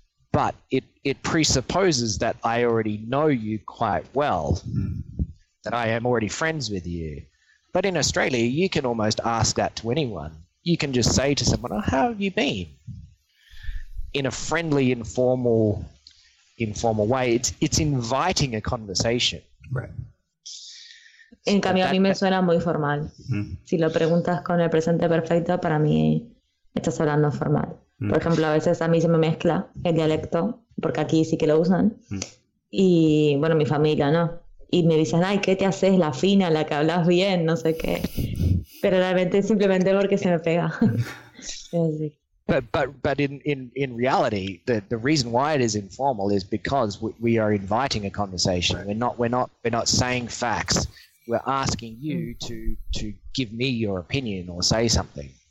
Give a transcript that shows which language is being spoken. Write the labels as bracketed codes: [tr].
[en] But it presupposes that I already know you quite well, that I am already friends with you. But in Australia, you can almost ask that to anyone. You can just say to someone, oh, how have you been? In a friendly, informal way, it's inviting a conversation. Right. [es] En cambio, a mí me suena muy formal. Mm-hmm. Si lo preguntas con el presente perfecto, para mí estás hablando formal. Mm-hmm. Por ejemplo, a veces a mí se me mezcla el dialecto, porque aquí sí que lo usan. Mm-hmm. Y bueno, mi familia no. Y me dicen, ay, ¿qué te haces? La fina, la que hablas bien, no sé qué. Pero realmente simplemente porque se me pega. Sí. [en] But in reality, the reason why it is informal is because we are inviting a conversation. Right. We're not saying facts. We're asking you to give me your opinion or say something.